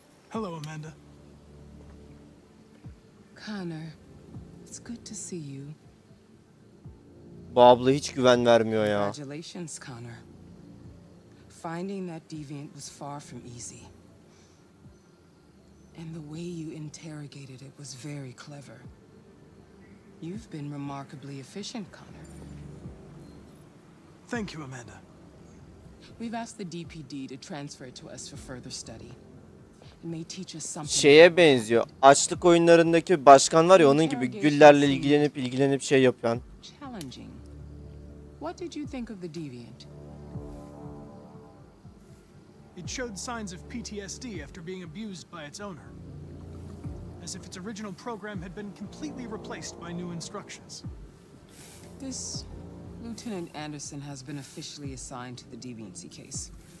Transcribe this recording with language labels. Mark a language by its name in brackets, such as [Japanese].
[English] Hello Amanda. Connor. It's good to see you. [Turkish] Bu abla hiç güven vermiyor ya. [English] Congratulations, Connor. Finding that deviant was far from easy. And the way you interrogated it was very clever. You've been remarkably efficient, Connor. Thank you, Amanda. We've asked the DPD to transfer it to us for further study. It may teach us something. [Turkish] Şeye benziyor. Açlık oyunlarındaki başkan var ya onun gibi güllerle ilgilenip şey yapan. [English] Challenging. What did you think of the deviant? It showed signs of PTSD after being abused by its owner. As if its original program had been completely replaced by new instructions. This Lieutenant Anderson has been officially assigned to the deviancy case.